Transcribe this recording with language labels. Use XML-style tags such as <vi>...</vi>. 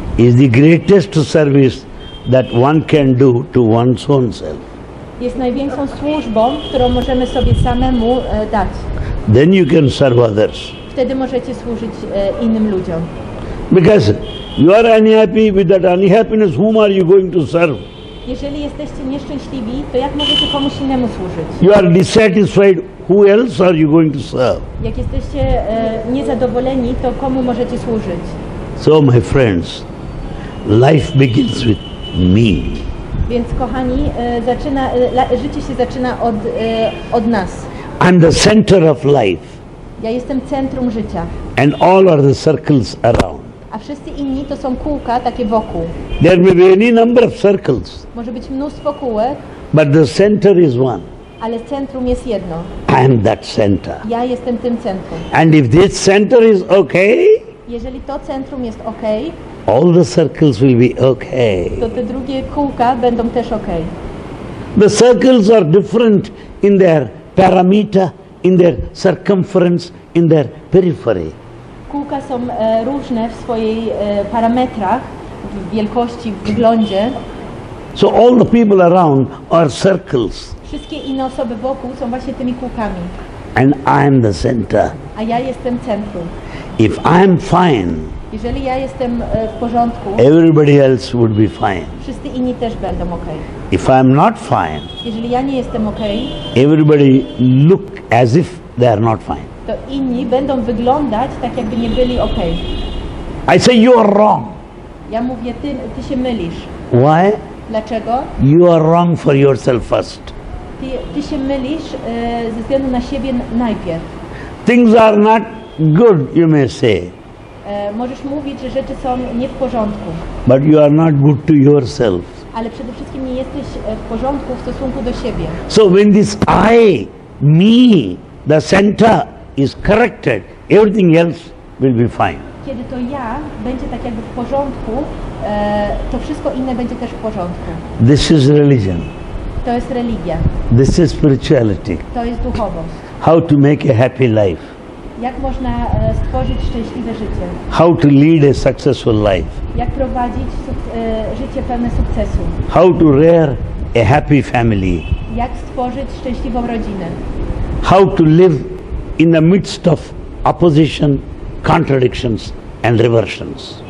<en>Is the greatest service that one can do to one's own self.</en> <pl>Jest największą służbą, którą możemy sobie samemu dać.</pl> <en>Then you can serve others.</en> <pl>Wtedy możecie służyć innym ludziom.</pl> <en>Because you are unhappy with that unhappiness, whom are you going to serve?</en> <pl>Jeżeli jesteście nieszczęśliwi, to jak możecie komuś innemu służyć?</pl> <en>You are dissatisfied, who else are you going to serve?</en> <pl>Jak jesteście niezadowoleni, to komu możecie służyć?</pl> <en>So my friends, life begins with me.</en> <pl>Więc kochani, życie się zaczyna od nas.</pl> <en>I'm the center of life.</en> <pl>Ja jestem centrum życia.</pl> <en>And all are the circles around.</en> <pl>A wszyscy inni to są kółka takie wokół.</pl> <en>There may be any number of circles.</en> <pl>Może być mnóstwo kółek.</pl> <en>But the center is one.</en> <pl>Ale centrum jest jedno.</pl> <en>I am that center.</en> <pl>Ja jestem tym centrum.</pl> <en>And if this center is okay,</en> <pl>jeżeli to centrum jest ok,</pl> <en>all the circles will be okay.</en> <pl>To te drugie kółka będą też ok.</pl> <en>The circles are different in their parameter, in their circumference, in their periphery.</en> <pl>Kółka są różne w swojej parametrach, w wielkości, w wyglądzie.</pl> <en>So all the people around are circles.</en> <pl>Wszystkie inne osoby wokół są właśnie tymi kółkami.</pl> <en>and I am the center.</en> <pl>A ja jestem centrum.</pl> <en>If I am fine,</en> <pl>jeżeli ja jestem w porządku,</pl> <en>everybody else would be fine.</en> <pl>Wszyscy inni też będą okay.</pl> <en>If I am not fine,</en> <pl>jeżeli ja nie jestem okay,</pl> <en>everybody look as if they are not fine.</en> <pl>To inni będą wyglądać tak, jakby nie byli okay.</pl> <en>I say you are wrong.</en> <pl>Ja mówię, ty się mylisz.</pl> <en>Why?</en> <pl>Dlaczego?</pl> <en>You are wrong for yourself first.</en> <pl>Ty się mylisz ze względu na siebie najpierw.</pl> <en>Things are not good, you may say.</en> <pl>Możesz mówić, że rzeczy są nie w porządku.</pl> <en>But you are not good to yourself.</en> <pl>Ale przede wszystkim nie jesteś w porządku w stosunku do siebie.</pl> <en>So when this I, me, the center is corrected, everything else will be fine.</en> <pl>Kiedy to ja będzie tak jakby w porządku, to wszystko inne będzie też w porządku.</pl> <en>This is religion.</en> <pl>To jest religia.</pl> <en>This is spirituality.</en> <pl>To jest duchowość.</pl> <en>How to make a happy life.</en> <pl>Jak można stworzyć szczęśliwe życie?</pl> <en>How to lead a successful life?</en> <pl>Jak prowadzić życie pełne sukcesu?</pl> <en>How to rear a happy family?</en> <pl>Jak stworzyć szczęśliwą rodzinę?</pl> <en>How to live in the midst of opposition, contradictions and reversions?</en>